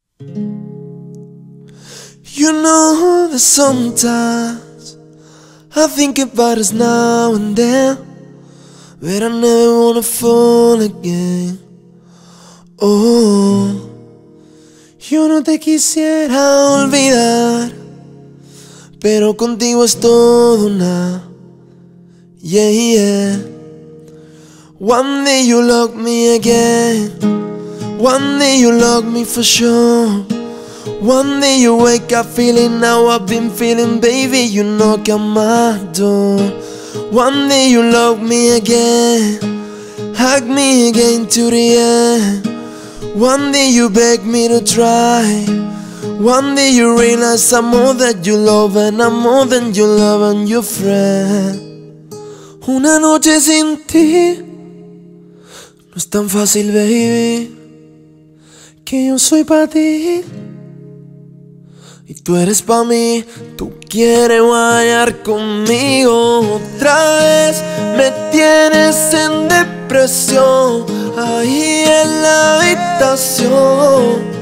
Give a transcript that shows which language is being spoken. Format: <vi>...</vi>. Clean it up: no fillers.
<en>You know that sometimes I think about us now and then, but I never wanna fall again.</en> <es>Oh, yo no te quisiera olvidar, pero contigo es todo una.</es> <en>Yeah, yeah. One day you love me again, one day you love me for sure. One day you wake up feeling how I've been feeling, baby, you knock on my door. One day you love me again, hug me again to the end. One day you beg me to try, one day you realize I'm all that you love, and I'm more than you love and your friend.</en> <es>Una noche sin ti no es tan fácil, baby, que yo soy pa' ti y tú eres pa' mí. Tú quieres guayar conmigo otra vez, me tienes en depresión ahí en la habitación.</es>